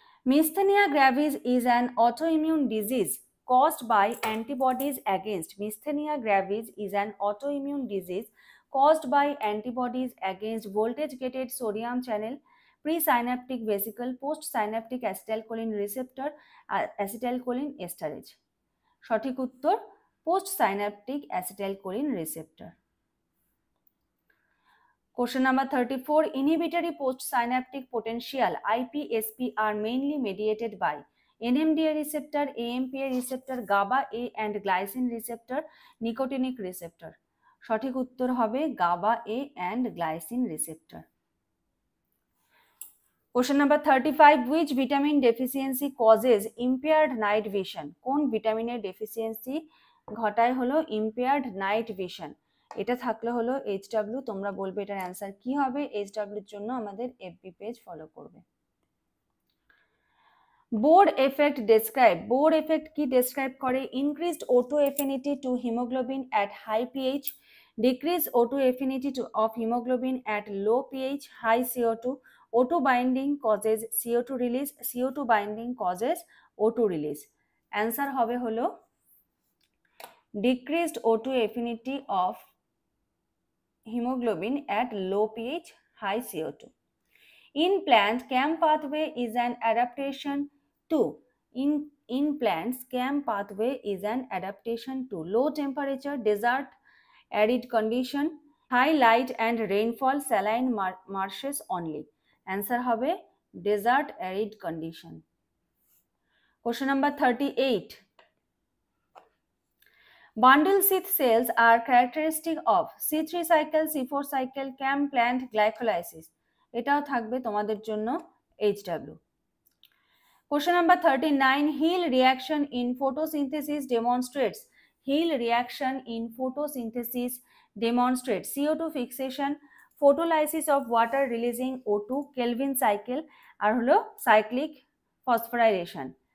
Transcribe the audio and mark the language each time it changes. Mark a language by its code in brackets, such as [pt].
[en] Myasthenia gravis is an autoimmune disease caused by antibodies against myasthenia gravis is an autoimmune disease caused by antibodies against voltage-gated sodium channel, presynaptic vesicle, postsynaptic acetylcholine receptor, acetylcholine esterase. [bn] সঠিক উত্তর [en] postsynaptic acetylcholine receptor. Question number 34. Inhibitory postsynaptic potential IPSP are mainly mediated by NMDA receptor, AMPA receptor, GABA A and glycine receptor, nicotinic receptor. [bn] সঠিক উত্তর হবে [en] GABA A and glycine receptor. Question number 35, which vitamin deficiency causes impaired night vision, [bn] কোন ভিটামিনের deficiency ঘটায় হলো [en] Impaired night vision. [bn] এটা থাকলে হলো HW, তোমরা বলবে এটার অ্যান্সার কি হবে। HW জন্য আমাদের FB পেজ ফলো করবে। Bore effect describe, bore effect কি ডেসক্রাইব করে? [en] Increased O two affinity to haemoglobin at high pH, decrease O two affinity to of haemoglobin at low pH, high CO2, O two binding causes CO2 release, CO2 binding causes O two release. [bn] Answer হবে হলো [en] Decreased O two affinity of haemoglobin at low pH, high CO2। In plants, CAM pathway is an adaptation to, in plants, CAM pathway is an adaptation to low temperature, desert, arid condition, high light and rainfall, saline marshes only. Answer হবে desert arid condition. Question number 38. Bundle sheath cells are characteristic of C3 cycle, C4 cycle, CAM plant glycolysis. [bn] এটাও থাকবে তোমাদের জন্য HW। [en] Question number 39, Hill reaction in photosynthesis demonstrates, Hill reaction in photosynthesis demonstrate CO2 fixation, photolysis of water releasing O2, Calvin cycle আর হলো cyclic phosphorylation.